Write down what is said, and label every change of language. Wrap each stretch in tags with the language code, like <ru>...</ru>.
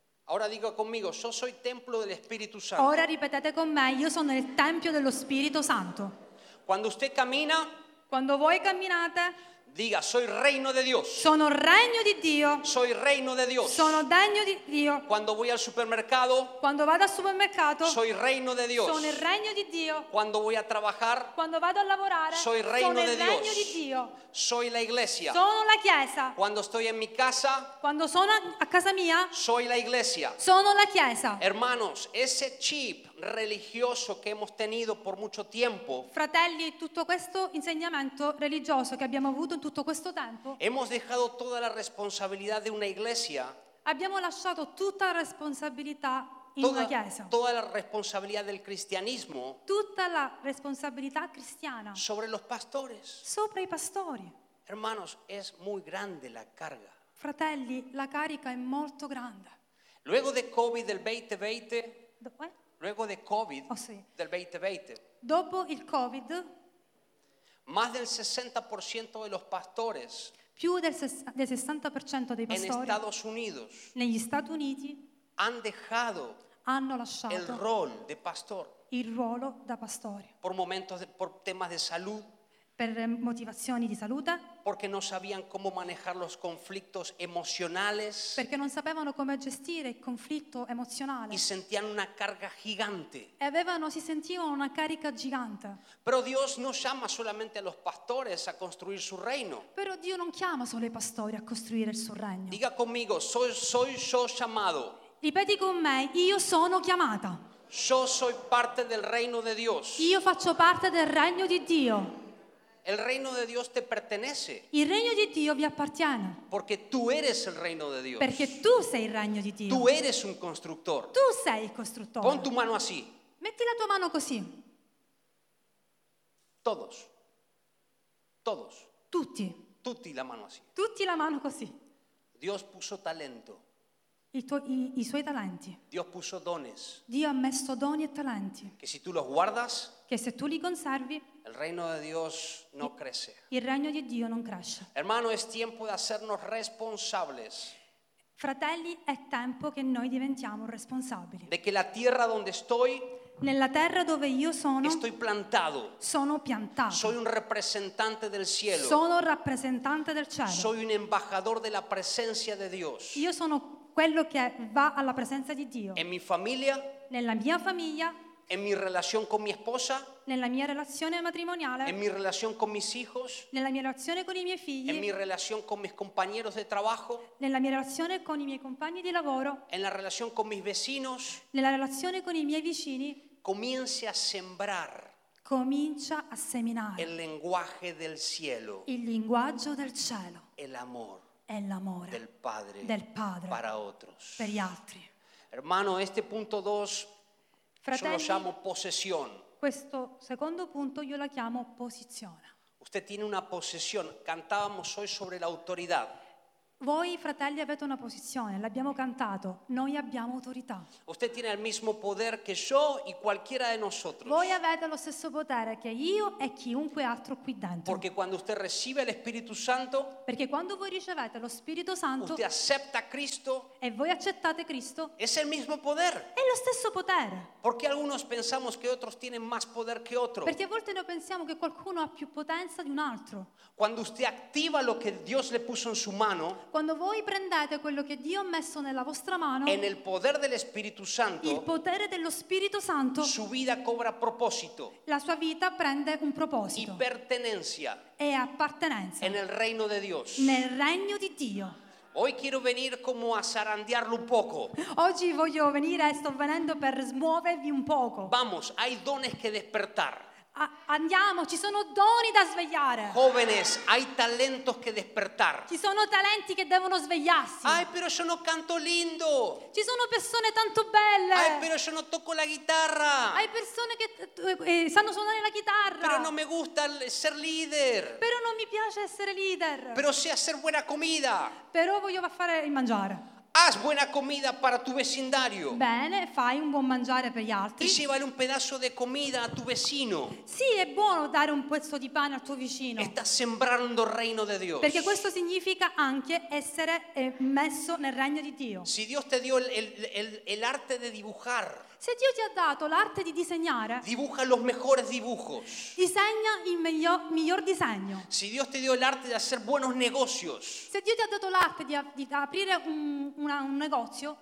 <es>Ahora digo conmigo, yo soy templo del Espíritu Santo.</es> <it>Ora ripetete con me, io sono il tempio dello Spirito Santo.</it> <es>Cuando usted camina,</es> <it>quando voi camminate,</it> <es>diga, soy reino de Dios.</es> <it>Sono regno di Dio.</it> <es>Soy reino de Dios.</es> <it>Sono degno di Dio.</it> <es>Cuando voy al supermercado,</es> <it>quando vado al supermercato,</it> <es>soy reino de Dios.</es> <it>Sono il regno di Dio.</it> <es>Cuando voy a trabajar,</es> <it>quando vado a lavorare,</it> <es>soy reino de Dios.</es> <it>Sono il regno di Dio.</it> <es>Soy la iglesia.</es> <it>Sono la chiesa.</it> <es>Cuando estoy en mi casa,</es> <it>quando sono a casa mia,</it> <es>soy la iglesia.</es> <it>Sono la chiesa.</it> <es>Hermanos, ese chip religioso que hemos tenido por mucho tiempo.</es> <it>Fratelli, tutto questo insegnamento religioso che abbiamo avuto in tutto questo tempo.</it> <es>Hemos dejado toda la responsabilidad de una iglesia.</es> <it>Abbiamo lasciato tutta la responsabilità in una chiesa.</it> <es>Toda la responsabilidad del cristianismo.</es> <it>Tutta la responsabilità cristiana.</it> <es>Sobre los pastores.</es> <it>Sopra i pastori.</it> <es>Hermanos, es muy grande la carga.</es> <it>Fratelli, la carica è molto grande.</it> <es>Luego de COVID del 2020.</es> <it>Dopo?</it> <es>Luego de COVID del 2020.</es> <it>Dopo il COVID.</it> <es>Más del 60% de los pastores.</es> <it>Più del 60% dei pastori.</it> <es>En Estados Unidos.</es> <it>Negli Stati Uniti.</it> <es>Han dejado.</es> <it>Hanno lasciato.</it> <es>El rol de pastor.</es> <it>Il ruolo da pastore.</it> <es>Por momentos, por temas de salud.</es> <it>Per motivazioni di salute.</it> <es>Porque no sabían cómo manejar los conflictos emocionales.</es> <it>Perché non sapevano come gestire il conflitto emozionale.</it> <es>Y sentían una carga gigante.</es> <it>E avevano, si sentivano una carica gigante.</it> <es>Pero Dios no llama solamente a los pastores a construir su reino.</es> <it>Però Dio non chiama solo i pastori a costruire il suo regno.</it> <es>Diga conmigo, soy yo llamado.</es> <it>Ripeti con me, io sono chiamata.</it> <es>Yo soy parte del reino de Dios.</es> <it>Io faccio parte del regno di Dio.</it> <es>El reino de Dios te pertenece.</es> <it>Il regno di Dio vi appartiene.</it> <es>Porque tú eres el reino de Dios.</es> <it>Perché tu sei il regno di Dio.</it> <es>Tú eres un constructor.</es> <it>Tu sei il costruttore.</it> <es>Pon tu mano así.</es> <it>Metti la tua mano così.</it> <es>Todos. Todos.</es> <it>Tutti. Tutti la mano así. Tutti la mano così.</it> <es>Dios puso talento.</es> <it>I suoi talenti.</it> <es>Dios puso dones.</es> <it>Dio ha messo doni e talenti.</it> <es>Que si tú los guardas.</es> <it>Che se tu li conservi.</it> <es>El reino de Dios no crece.</es> <it>Il regno di Dio non cresce.</it> <es>Hermano, es tiempo de hacernos responsables.</es> <it>Fratelli, è tempo che noi diventiamo responsabili.</it> <es>De que la tierra donde estoy.</es> <it>Nella terra dove io sono.</it> <es>Estoy plantado.</es> <it>Sono piantato.</it> <es>Soy un representante del cielo.</es> <it>Sono rappresentante del cielo.</it> <es>Soy un embajador de la presencia de Dios.</es> <it>Io sono quello che va alla presenza di Dio.</it> <es>En mi familia.</es> <it>Nella mia famiglia.</it> <es>En mi relación con mi esposa.</es> <it>Nella mia relazione matrimoniale.</it> <es>En mi relación con mis hijos.</es> <it>Nella mia relazione con i miei figli.</it> <es>En mi relación con mis compañeros de trabajo.</es> <it>Nella mia relazione con i miei compagni di lavoro.</it> <es>En la relación con mis vecinos.</es> <it>Nella relazione con i miei vicini.</it> <es>Comience a sembrar.</es> <it>Comincia a seminare.</it> <es>El lenguaje del cielo.</es> <it>Il linguaggio del cielo.</it> <es>El amor.</es> <it>È l'amore.</it> <es>Del padre.</es> <it>Del padre.</it> <es>Para otros.</es> <it>Per gli altri.</it> <es>Hermano, este punto 2.</es> <it>Fratelli,</it> <es>yo lo llamo posesión.</es> <it>Questo secondo punto io la chiamo posizione.</it> <es>Usted tiene una posesión. Cantábamos hoy sobre la autoridad.</es> <it>Voi fratelli avete una posizione, l'abbiamo cantato. Noi abbiamo autorità.</it> <es>Usted tiene el mismo poder que yo y cualquiera de nosotros.</es> <it>Voi avete lo stesso potere che io e chiunque altro qui dentro.</it> <es>Porque cuando usted recibe el Espíritu Santo.</es> <it>Perché quando voi ricevete lo Spirito Santo.</it> <es>Usted acepta a Cristo.</es> <it>E voi accettate Cristo.</it> <es>Es el mismo poder.</es> <it>È lo stesso potere.</it> <es>Porque algunos pensamos que otros tienen más poder que otro.</es> <it>Perché a volte noi pensiamo che qualcuno ha più potenza di un altro.</it> <es>Cuando usted activa lo que Dios le puso en su mano.</es> <it>Quando voi prendete quello che Dio ha messo nella vostra mano,</it> <es>en el poder del Espíritu Santo,</es> <it>il potere dello Spirito Santo,</it> <es>su vida cobra proposito,</es> <it>la sua vita prende un proposito,</it> <es>y pertenencia,</es> <it>e appartenenza,</it> <es>en el reino de Dios,</es> <it>nel regno di Dio.</it> <es>Hoy quiero venir como a zarandearlo un poco.</es> <it>Oggi voglio venire e sto venendo per smuovervi un poco.</it> <es>Vamos, hay dones que despertar.</es> <it>Andiamo, ci sono doni da svegliare.</it> <es>Jóvenes, hay talentos que despertar.</es> <it>Ci sono talenti che devono svegliarsi.</it> <es>Ay, pero yo no canto lindo.</es> <it>Ci sono persone tanto belle.</it> <es>Ay, pero yo no toco la guitarra.</es> <it>Hay persone che sanno suonare la chitarra.</it> <es>Pero no me gusta ser líder.</es> <it>Però non mi piace essere leader.</it> <es>Pero sé hacer buena comida.</es> <it>Però voglio fare il mangiare.</it> <es>Haz buena comida para tu vecindario.</es> <it>Bene, fai un buon mangiare per gli altri.</it> <es>Y llévale un pedazo de comida a tu vecino.</es> <it>Sì, è buono dare un pezzo di pane al tuo vicino.</it> <es>Está sembrando el reino de Dios.</es> <it>Perché questo significa anche essere messo nel regno di Dio.</it> <es>Si Dios te dio el arte de dibujar.</es> <it>Se Dio ti ha dato l'arte di disegnare,</it> <es>dibuja los mejores dibujos.</es> <it>Disegna il miglior disegno.</it> <es>Si Dios te dio el arte de hacer buenos negocios,</es> <it>se Dio ti ha dato l'arte di aprire un negozio,</it>